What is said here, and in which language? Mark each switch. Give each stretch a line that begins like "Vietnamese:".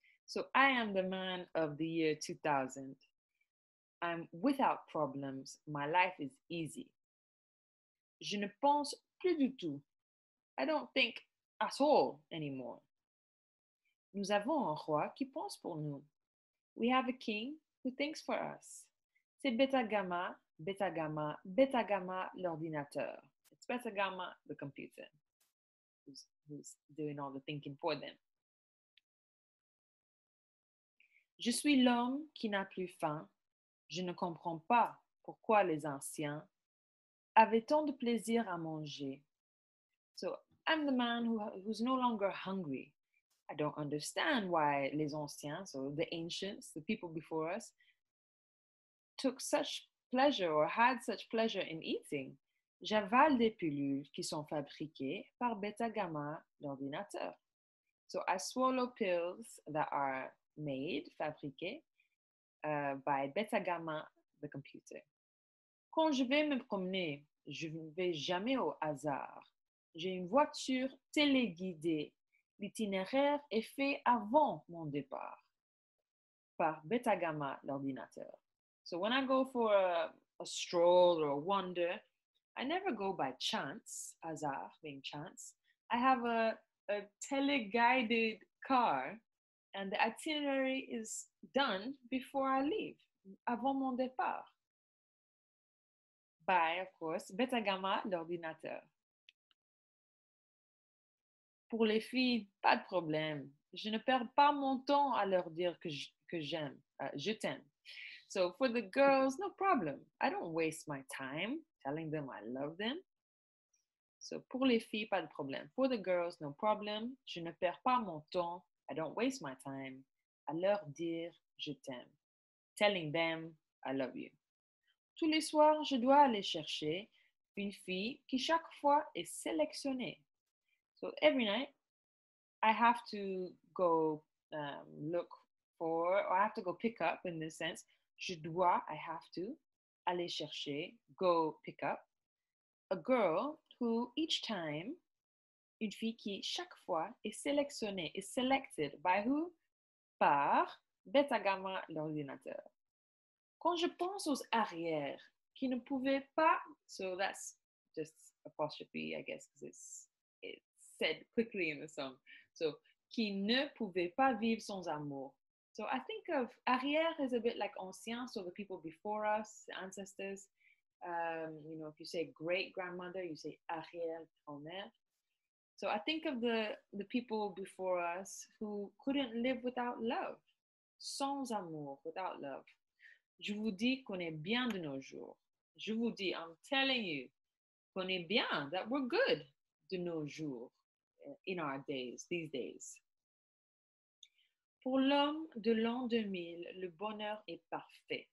English: So, I am the man of the year 2000. I'm without problems. My life is easy.
French: Je ne pense plus du tout.
English: I don't think at all anymore.
French: Nous avons un roi qui pense pour nous.
English: We have a king who thinks for us.
French: C'est bêta gamma, bêta gamma, bêta gamma l'ordinateur.
English: It's bêta gamma, the computer, who's doing all the thinking for them.
French: Je suis l'homme qui n'a plus faim. Je ne comprends pas pourquoi les anciens avaient tant de plaisir à manger.
English: So, I'm the man who's no longer hungry. I don't understand why
French: les anciens,
English: so the ancients, the people before us, took such pleasure or had such pleasure in eating.
French: J'avale des pilules qui sont fabriquées par bêta gamma l'ordinateur.
English: So, I swallow pills that are made, fabriquées. By Beta Gamma, the computer.
French: Quand je vais me promener, je ne vais jamais au hasard. J'ai une voiture téléguidée. L'itinéraire est fait avant mon départ par Beta Gamma, l'ordinateur.
English: So when I go for a stroll or a wander, I never go by chance, hasard being chance. I have a tele-guided car. And the itinerary is done before I leave,
French: avant mon départ.
English: By, of course, Beta Gamma, l'ordinateur.
French: Pour les filles, pas de problème. Je ne perds pas mon temps à leur dire que j'aime, je t'aime.
English: So, for the girls, no problem. I don't waste my time telling them I love them.
French: So, pour les filles, pas de problème.
English: For the girls, no problem.
French: Je ne perds pas mon temps.
English: I don't waste my time
French: à leur dire je t'aime.
English: Telling them I love you.
French: Tous les soirs, je dois aller chercher une fille qui chaque fois est sélectionnée.
English: So every night, I have to go look for, or I have to go pick up in this sense.
French: Je dois,
English: I have to
French: aller chercher,
English: go pick up a girl who each time.
French: Une fille qui chaque fois est sélectionnée, est
English: selected by who?
French: Par Beta Gamma, l'ordinateur. Quand je pense aux arrières qui ne pouvaient pas,
English: so that's just apostrophe, I guess, because it's said quickly in the song.
French: So, qui ne pouvaient pas vivre sans amour.
English: So, I think of arrière is a bit like ancien, so the people before us, ancestors. If you say great grandmother, you say
French: arrière grand-mère.
English: So I think of the people before us who couldn't live without love,
French: sans amour,
English: without love.
French: Je vous dis qu'on est bien de nos jours. Je vous dis,
English: I'm telling you,
French: qu'on est bien,
English: that we're good
French: de nos jours,
English: in our days, these days.
French: Pour l'homme de l'an 2000, le bonheur est parfait.